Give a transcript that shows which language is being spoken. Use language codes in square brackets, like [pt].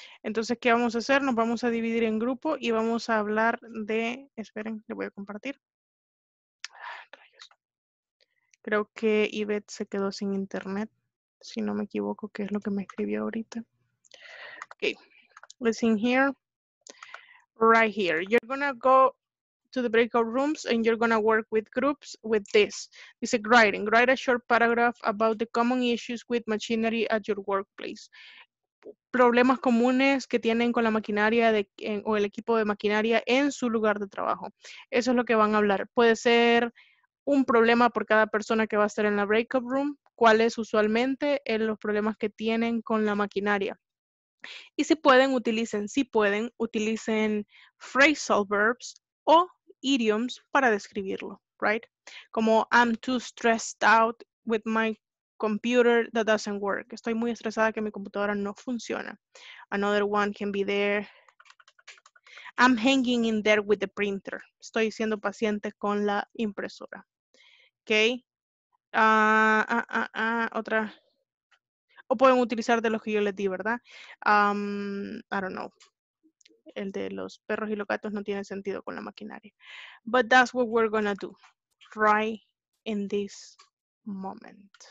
[es] Entonces, ¿qué vamos a hacer? Nos vamos a dividir en grupo y vamos a hablar de... Esperen, le voy a compartir. Creo que Ivette se quedó sin internet, si no me equivoco, que es lo que me escribió ahorita. [en] Ok, listen here. Right here. You're gonna go to the breakout rooms and you're gonna work with groups with this. It's a writing. Write a short paragraph about the common issues with machinery at your workplace. [es] Problemas comunes que tienen con la maquinaria de, en, o el equipo de maquinaria en su lugar de trabajo. Eso es lo que van a hablar. Puede ser un problema por cada persona que va a estar en la breakout room, cuál es usualmente los problemas que tienen con la maquinaria. Y si pueden, utilicen, phrasal verbs o idioms para describirlo, [en] right? [es] Como, [en] I'm too stressed out with my computer that doesn't work. [es] Estoy muy estresada que mi computadora no funciona. [en] Another one can be there. I'm hanging in there with the printer. [es] Estoy siendo paciente con la impresora. [en] Okay. [es] Otra. O pueden utilizar de los que yo les di, ¿verdad? [en] I don't know. [es] El de los perros y los gatos no tiene sentido con la maquinaria. [en] But that's what we're gonna do right in this moment.